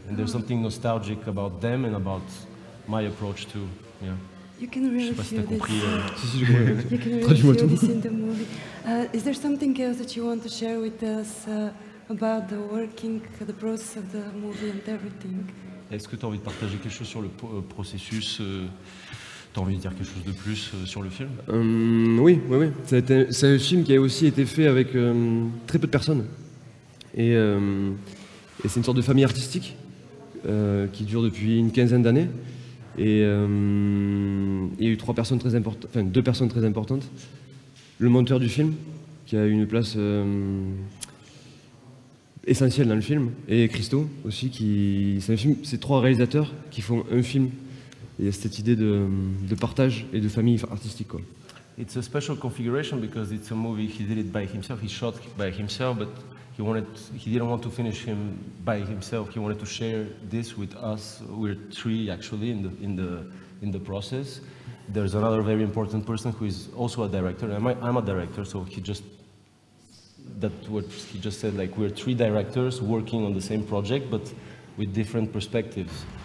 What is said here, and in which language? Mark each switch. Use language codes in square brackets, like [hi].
[en] And there's something nostalgic about them and about my approach too. Yeah. You can really feel this. [fr] Compris, [en] you can really feel this in the movie. Is there something else that you want to share with us about the working, the process of the movie and everything. [fr] Est-ce que tu as envie de partager quelque chose sur le processus? Tu as envie de dire quelque chose de plus sur le film? Oui. C'est un film qui a aussi été fait avec très peu de personnes. Et c'est une sorte de famille artistique qui dure depuis une quinzaine d'années. Et il y a eu deux personnes très importantes. Le monteur du film, qui a eu une place essentielle dans le film, et Christo aussi, c'est trois réalisateurs qui font un film. Et il y a cette idée de partage et de famille artistique, quoi. [en] It's a special configuration because it's a movie he did it by himself, he shot by himself, but he didn't want to finish him by himself. He wanted to share this with us. We're three actually in the process. There's another very important person who is also a director. I'm a director, so he just said like we're three directors working on the same project but with different perspectives.